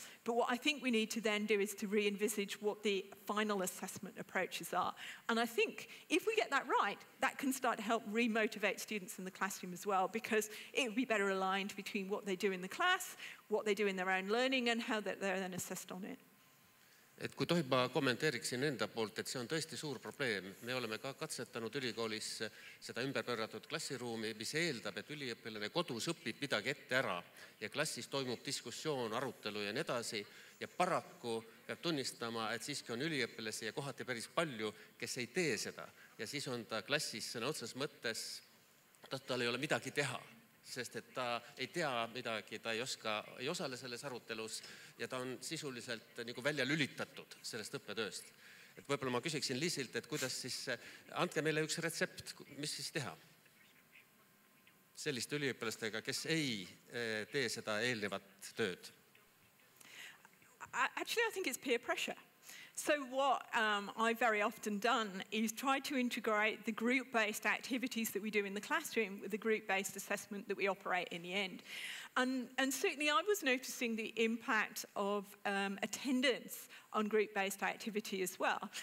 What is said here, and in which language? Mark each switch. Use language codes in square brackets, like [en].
[en] But what I think we need to then do is to re-envisage what the final assessment approaches are. And I think if we get that right, that can start to help re-motivate students in the classroom as well, because it would be better aligned between what they do in the class, what they do in their own learning, and how that they're then assessed on it. [et] Et kui tohib, ma kommenteeriksin enda poolt, et see on tõesti suur probleem. Me oleme ka katsetanud ülikoolis seda ümberpööratud klassiruumi, mis eeldab, et üliõpilane kodus õpib midagi ette ära ja klassis toimub diskussioon, arutelu ja nii edasi. Ja paraku peab tunnistama, et siiski on üliõpilasi ja kohati päris palju, kes ei tee seda. Ja siis on ta klassis sõna otses mõttes, et tal ei ole midagi teha. Sest et ta ei tea midagi, ta ei oska, ei osale selles arutelus ja ta on sisuliselt nagu välja lülitatud sellest õppetööst. Et võib-olla ma küsiksin Liisilt, et kuidas siis, antke meile üks retsept, mis siis teha selliste üliõpilastega, kes ei tee seda eelnevat tööd? [en] Actually, I think it's peer pressure. So what I've very often done is try to integrate the group-based activities that we do in the classroom with the group-based assessment that we operate in the end. And certainly I was noticing the impact of attendance on group-based activity as well.